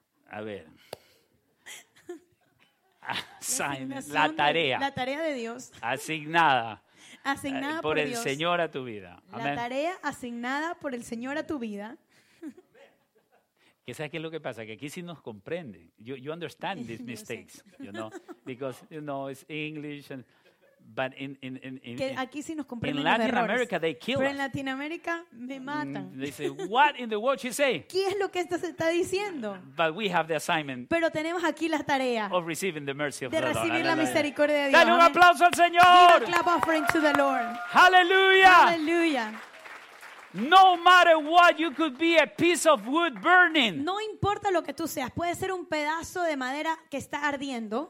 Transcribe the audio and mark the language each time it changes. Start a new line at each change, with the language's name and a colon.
Spanish: A ver. Assignment, la tarea. La tarea de Dios. Asignada. Asignada por el Dios. Señor a tu vida. Amen. La tarea asignada por el Señor a tu vida. ¿Qué sabes qué es lo que pasa? Que aquí sí nos comprende.
English: You understand these mistakes, you know, because you know it's English and. But in
Spanish: que aquí sí nos comprenden
English: in Latin
Spanish: errores.
English: America they kill
Spanish: pero en Latinoamérica me matan.
English: They say, what in the world she say?
Spanish: ¿Qué es lo que esta se está diciendo?
English: But we have the assignment.
Spanish: Pero tenemos aquí la tarea.
English: Of receiving the mercy of
Spanish: de recibir la misericordia de Dios. Dale un aplauso al Señor.
English: Clap offering to the Lord. Hallelujah. Hallelujah. No matter what, you could be a piece of wood burning.
Spanish: No importa lo que tú seas, puede ser un pedazo de madera que está ardiendo.